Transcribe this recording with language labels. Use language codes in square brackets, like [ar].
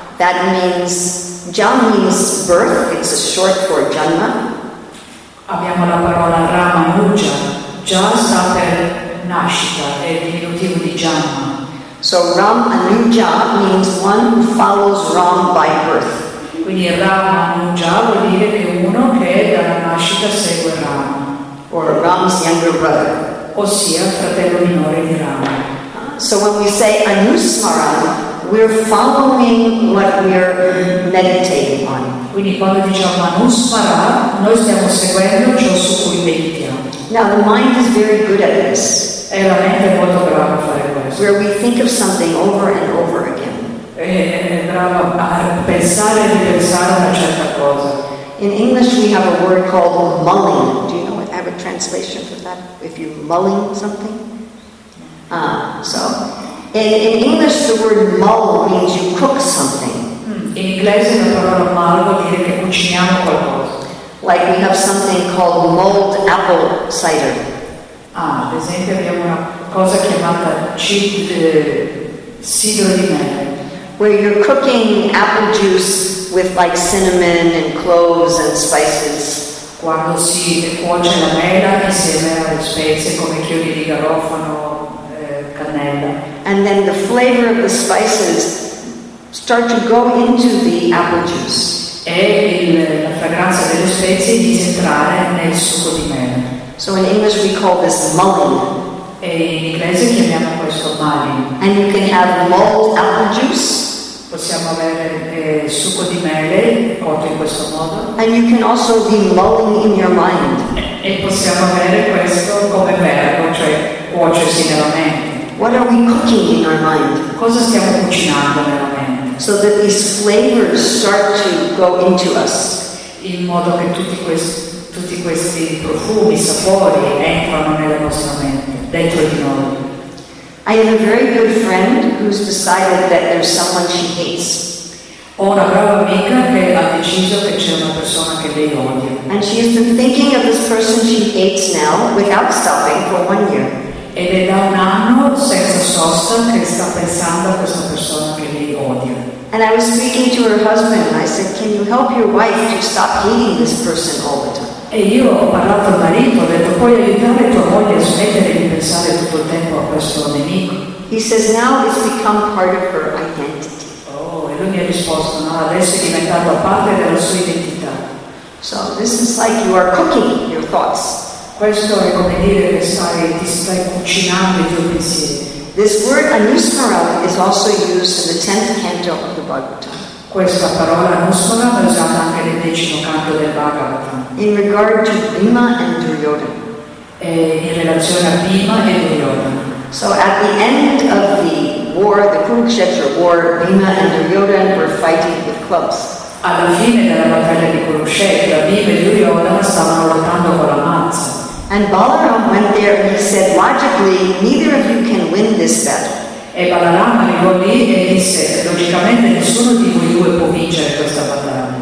[en] That means, ja means birth. It's a short for janma. [it] Abbiamo la parola ram anu ja. Ja sta per nascita, è il diminutivo di janma. [en] So Ram Anuja means one who follows Ram by birth. [it] Quindi Ram Anuja vuol dire che uno che dalla nascita segue Ram. [en] Or Ram's younger brother. [it] Ossia fratello minore di Ram. [en] So when we say Anusmaram, we're following what we're meditating on. [it] Quindi quando diciamo Anusmaram, noi stiamo seguendo ciò su cui meditiamo. [en] Now the mind is very good at this. [it] E la mente è molto brava a fare questo. [en] Where we think of something over and over again. [it] Bravo, a pensare di pensare una certa cosa. [en] In English we have a word called mulling. Do you know what? I have a translation for that. If you're mulling something. So In English, the word mull means you cook something. [it] In inglese la parola mull vuol dire che cuciniamo qualcosa. [en] Like we have something called mulled apple cider. [it] Ah, ad esempio abbiamo una cosa chiamata cidro di mele. [en] Where you're cooking apple juice with like cinnamon and cloves and spices. [it] Quando si cuoce la mela insieme alle spezie come chiodi di garofano, cannella. [en] And then the flavor of the spices start to go into the apple juice. [it] E la fragranza delle spezie inizia a entrare nel succo di mela. [en] So in English we call this mulling. [it] E in inglese chiamiamo questo mulling. [en] And you can have mulled apple juice. [it] Possiamo avere succo di mele cotto in questo modo. [en] And you can also be mulling in your mind. [it] E possiamo avere questo come verbo, cioè cuocersi nella mente. [en] What are we cooking in our mind? [it] Cosa stiamo cucinando nella mente? [en] So that these flavors start to go into us. [it] In modo che tutti questi profumi, sapori entrano nella nostra mente, dentro di noi. [en] I have a very good friend who's decided that there's someone she hates. [it] Ho una brava amica che ha deciso che c'è una persona che lei odia. [en] And she has been thinking of this person she hates now without stopping for 1 year. [it] Ed è da un anno senza sosta che sta pensando a questa persona che lei odia. [en] And I was speaking to her husband and I said, can you help your wife to stop hating this person all the time? [it] E io ho parlato al marito, ho detto, puoi aiutare tua moglie a smettere di pensare tutto il tempo a questo nemico? [en] He says, now it's become part of her identity. [it] Oh, e lui mi ha risposto, no, adesso è diventato parte della sua identità. [en] So this is like you are cooking your thoughts. [it] Questo è come dire che ti stai cucinando i tuoi pensieri. [en] This word anusmara is also used in the 10th canto of the Bhagavatam. [it] Questa parola anusmara è usata anche nel 10° canto del Bhagavatam. [en] In regard to Bhima and Duryodhana. [it] E in relazione a Bhima e Duryodhana. [en] So at the end of the war, the Kurukshetra war, Bhima and Duryodhana were fighting with clubs. [it] Alla fine della battaglia di Kurukshetra, Bhima e Duryodhana stavano lottando con la mazza. [en] And Balaram went there and he said, logically, neither of you can win this battle. [it] E Balaram arrivò lì e disse, logicamente nessuno di voi due può vincere questa battaglia.